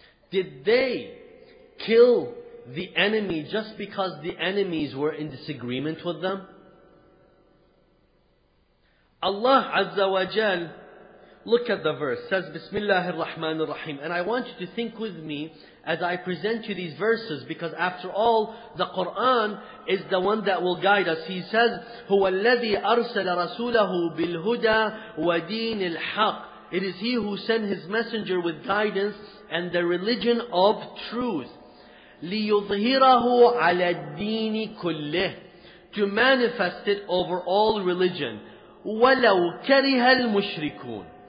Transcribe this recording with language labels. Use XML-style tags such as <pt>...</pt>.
<en>Did they kill the enemy just because the enemies were in disagreement with them? Allah Azza wa Jal, look at the verse, says Bismillah ar-Rahman ar-Rahim. And I want you to think with me as I present you these verses, because after all, the Quran is the one that will guide us. He says,</en> <ar>هُوَ الَّذِي أَرْسَلَ رَسُولَهُ بِالْهُدَى وَدِينِ الْحَقِّ.</ar> <en>It is He who sent His Messenger with guidance and the religion of truth.</en> <ar>لِيُظْهِرَهُ عَلَى الدِّينِ كُلِّهِ.</ar> <en>To manifest it over all religion.</en> <ar>وَلَوْ كَرِهَ الْمُشْرِكُونَ.</ar>